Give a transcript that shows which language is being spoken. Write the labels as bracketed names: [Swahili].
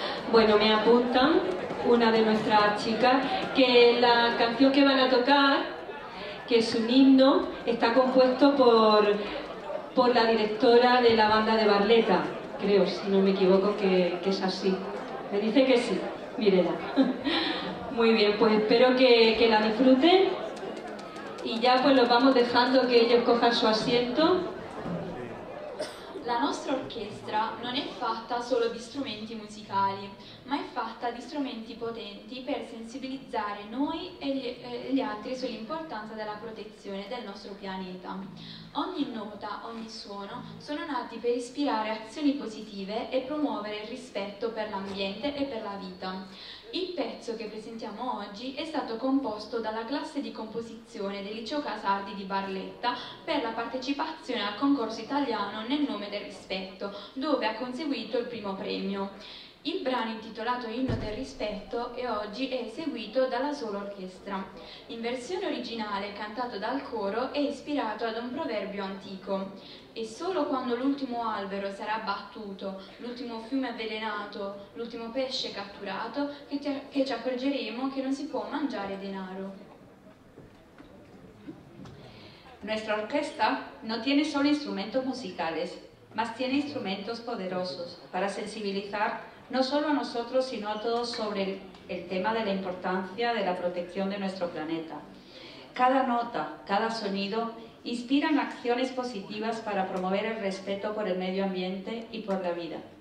[Spanish] Bueno, me apuntan una de nuestras chicas que la canción que van a tocar, que es un himno, está compuesto por la directora de la banda de Barleta, creo, si no me equivoco, que es así. Me dice que sí, Mirela. Muy bien, pues espero que la disfruten y ya pues los vamos dejando que ellos cojan su asiento. [Italian] La nostra orchestra non è fatta solo di strumenti musicali, ma è fatta di strumenti potenti per sensibilizzare noi e gli altri sull'importanza della protezione del nostro pianeta. Ogni nota, ogni suono sono nati per ispirare azioni positive e promuovere il rispetto per l'ambiente e per la vita. Il pezzo che presentiamo oggi è stato composto dalla classe di composizione del Liceo Casardi di Barletta per la partecipazione al concorso italiano Nel nome del rispetto, dove ha conseguito il primo premio. Il brano intitolato Inno del rispetto è oggi eseguito dalla sola orchestra. In versione originale, cantato dal coro, è ispirato ad un proverbio antico. E solo quando l'ultimo albero sarà abbattuto, l'ultimo fiume avvelenato, l'ultimo pesce catturato, che ci accorgeremo che non si può mangiare denaro. [Spanish] Nuestra orquesta no tiene solo instrumentos musicales, mas tiene instrumentos poderosos para sensibilizar no solo a nosotros sino a todos sobre el tema de la importancia de la protección de nuestro planeta. Cada nota, cada sonido, inspiran acciones positivas para promover el respeto por el medio ambiente y por la vida.